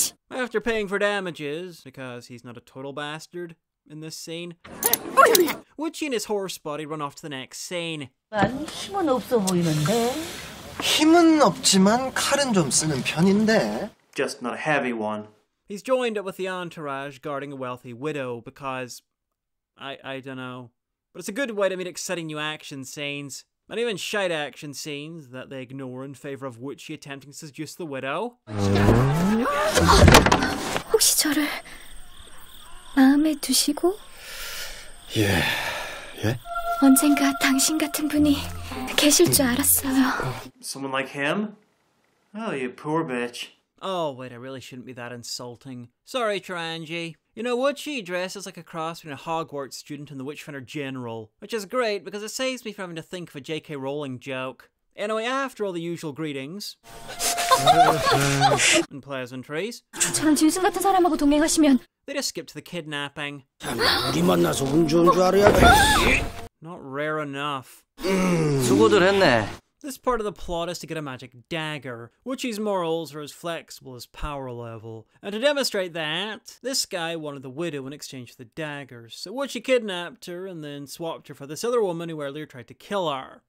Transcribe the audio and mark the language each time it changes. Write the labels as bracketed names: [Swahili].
[English] After paying for damages, because he's not a total bastard in this scene, Woochie and his horse body run off to the next scene. [Korean] 힘은 없지만 칼은 좀 쓰는 편인데. [English] Just not a heavy one. He's joined up with the entourage guarding a wealthy widow because... I don't know. But it's a good way to meet exciting new action scenes. And even shite action scenes that they ignore in favor of Woochie attempting to seduce the widow. [Korean] 혹시 저를 마음에 두시고? 예... 예? 언젠가 당신 같은 분이 계실 줄 알았어요. [English] Someone like him? Oh, you poor bitch. Oh, wait, I really shouldn't be that insulting. Sorry, Taranji. You know, Woochie dresses like a cross between a Hogwarts student and the Witchfinder General, which is great because it saves me from having to think of a J.K. Rowling joke. Anyway, after all the usual greetings... and pleasantries. [Korean] 저처럼 짐승 같은 사람하고 동행하시면. [English] They just skip to the kidnapping. [Korean] 우리 만나서 운 좋은 줄 알아야 돼. [English] Not rare enough. [Korean] 수고들 했네. [English] This part of the plot is to get a magic dagger. Woochie's morals are as flexible as power level. And to demonstrate that, this guy wanted the widow in exchange for the daggers. So Woochie kidnapped her and then swapped her for this other woman who earlier tried to kill her.